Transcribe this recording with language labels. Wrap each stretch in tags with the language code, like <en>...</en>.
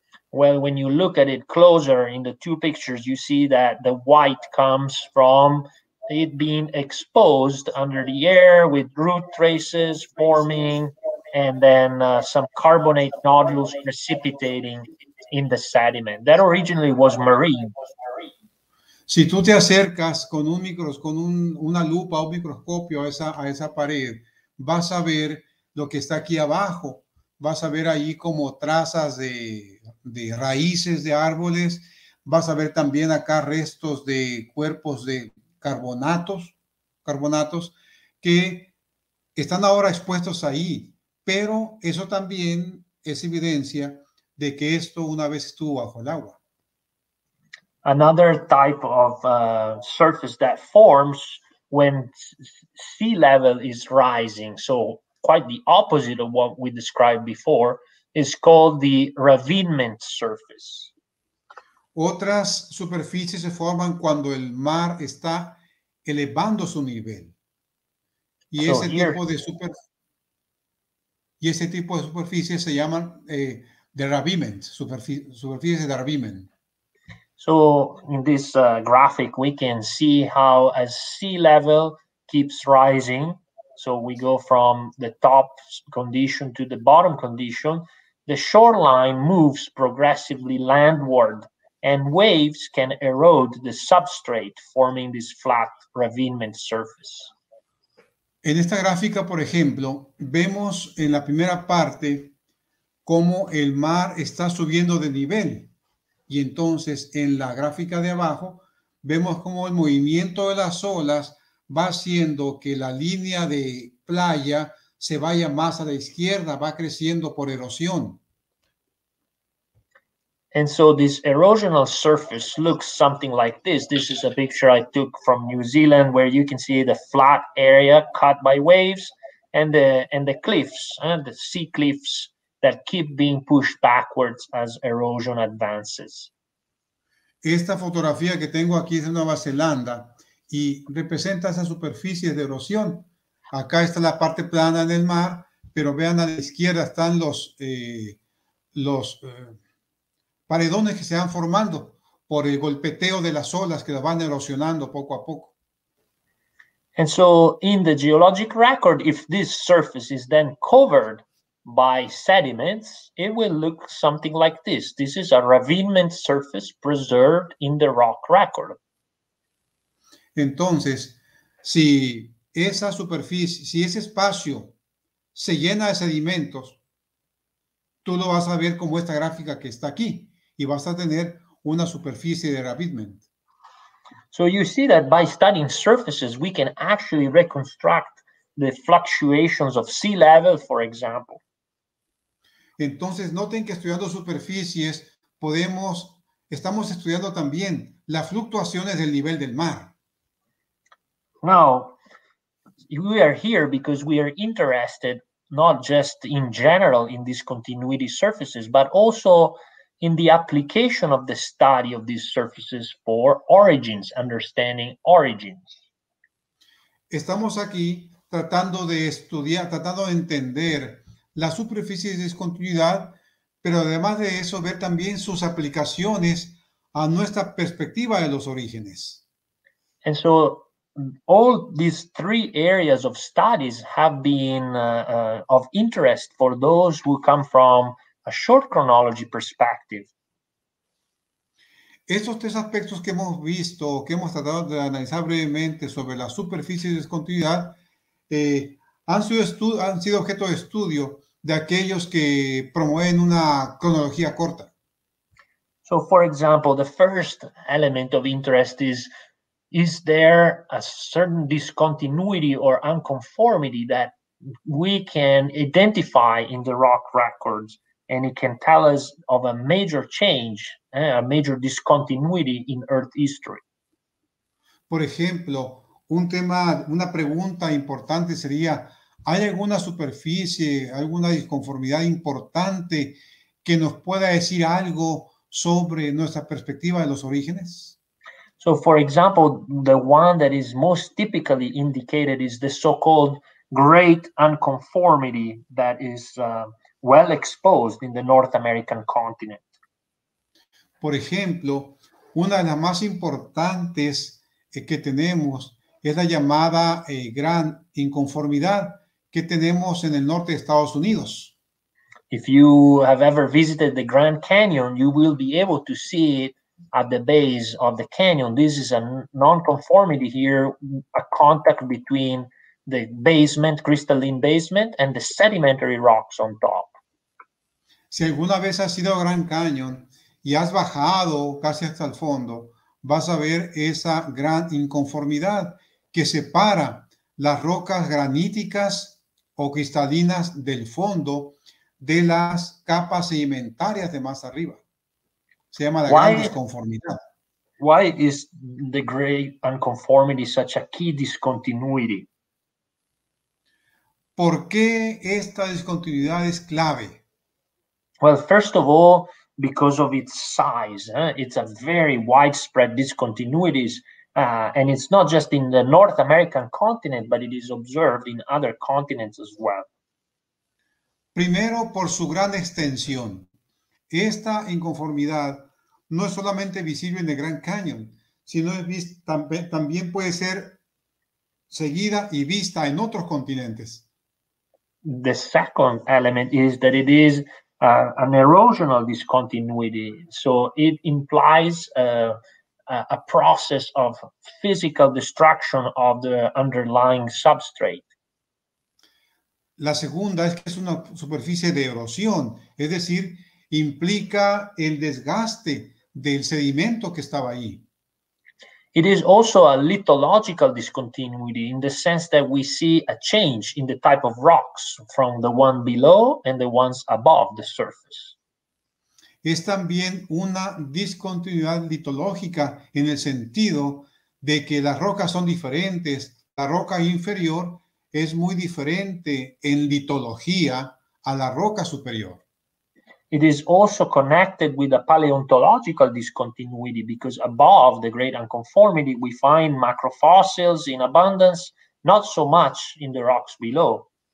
<en>Well, when you look at it closer in the two pictures, you see that the white comes from it being exposed under the air with root traces forming and then some carbonate nodules precipitating in the sediment. That originally was marine.</en> <es>Si tú te acercas con un una lupa o un microscopio a esa pared, vas a ver lo que está aquí abajo. Vas a ver ahí como trazas de raíces de árboles. Vas a ver también acá restos de cuerpos de carbonatos que están ahora expuestos ahí, pero eso también es evidencia de que esto una vez estuvo bajo el agua.</es> <en>another type of surface that forms when sea level is rising. So quite the opposite of what we described before is called the ravinement surface.</en> <es>Otras superficies se forman cuando el mar está elevando su nivel. Y ese tipo de superficies se llaman</es> <en>the ravinement,</en> <es>superficies de ravinment.</es> <en>So in this graphic we can see how as sea level keeps rising, so we go from the top condition to the bottom condition, the shoreline moves progressively landward and waves can erode the substrate forming this flat ravinement surface.</en> <es>En esta gráfica, por ejemplo, vemos en la primera parte cómo el mar está subiendo de nivel. Y entonces, en la gráfica de abajo, vemos cómo el movimiento de las olas va haciendo que la línea de playa se vaya más a la izquierda, va creciendo por erosión.</es> <en>And so this erosional surface looks something like this. This is a picture I took from New Zealand where you can see the flat area cut by waves and the cliffs, and the sea cliffs that keep being pushed backwards as erosion advances.</en> <es>Esta fotografía que tengo aquí es de Nueva Zelanda y representa esa superficie de erosión. Acá está la parte plana del mar, pero vean a la izquierda están los paredones que se van formando por el golpeteo de las olas que las van erosionando poco a poco.</es> <en>And so in the geologic record, if this surface is then covered by sediments, it will look something like this. This is a ravinement surface preserved in the rock record.</en> <es>Entonces, si esa superficie, si ese espacio se llena de sedimentos, tú lo vas a ver como esta gráfica que está aquí. Y vas a tener una superficie de ravinement.</es> <en>So you see that by studying surfaces, we can actually reconstruct the fluctuations of sea level, for example.</en> <es>Entonces, noten que estudiando superficies, estamos estudiando también las fluctuaciones del nivel del mar.</es> <en>Now, we are here because we are interested not just in general in these continuity surfaces, but also in the application of the study of these surfaces for origins, understanding origins.</en> <es>Estamos aquí tratando de estudiar, tratando de entender las superficies de discontinuidad, pero además de eso, ver también sus aplicaciones a nuestra perspectiva de los orígenes.</es> <en>And so all these three areas of studies have been of interest for those who come from a short chronology perspective.</en> <es>Estos tres aspectos que hemos visto, que hemos tratado de analizar brevemente sobre la superficie de discontinuidad, han sido objeto de estudio de aquellos que promueven una cronología corta.</es> <en>So, for example, the first element of interest is there a certain discontinuity or unconformity that we can identify in the rock records? And it can tell us of a major change, a major discontinuity in Earth history.</en> <es>Por ejemplo, una pregunta importante sería, ¿hay alguna superficie, alguna disconformidad importante que nos pueda decir algo sobre nuestra perspectiva de los orígenes?</es> <en>So, for example, the one that is most typically indicated is the so-called great unconformity that is well exposed in the North American continent.</en> <es>Por ejemplo, una de las más importantes que tenemos es la llamada gran inconformidad que tenemos en el norte de Estados Unidos.</es> <en>If you have ever visited the Grand Canyon, you will be able to see it at the base of the canyon. This is a non-conformity here, a contact between the basement, crystalline basement, and the sedimentary rocks on top.</en> <es>Si alguna vez has ido a Grand Canyon y has bajado casi hasta el fondo, vas a ver esa gran inconformidad que separa las rocas graníticas o cristalinas del fondo de las capas sedimentarias de más arriba. Se llama la gran disconformidad.</es> <en>Why is the gray unconformity such a key discontinuity?</en> <es>¿Por qué esta discontinuidad es clave?</es> <en>Well, first of all, because of its size. It's a very widespread discontinuity. And it's not just in the North American continent, but it is observed in other continents as well.</en> <es>Primero, por su gran extensión. Esta inconformidad no es solamente visible en el Grand Canyon, sino es también puede ser seguida y vista en otros continentes.</es> <en>The second element is that it is an erosional discontinuity. So it implies a process of physical destruction of the underlying substrate.</en> <es>La segunda es que es una superficie de erosión, es decir, implica el desgaste del sedimento que estaba ahí.</es> <en>It is also a lithological discontinuity in the sense that we see a change in the type of rocks from the one below and the ones above the surface.</en> <es>Es también una discontinuidad litológica en el sentido de que las rocas son diferentes. La roca inferior es muy diferente en litología a la roca superior.</es> <en>It is also connected with a paleontological discontinuity because above the great unconformity we find macrofossils in abundance, not so much in the rocks below.</en>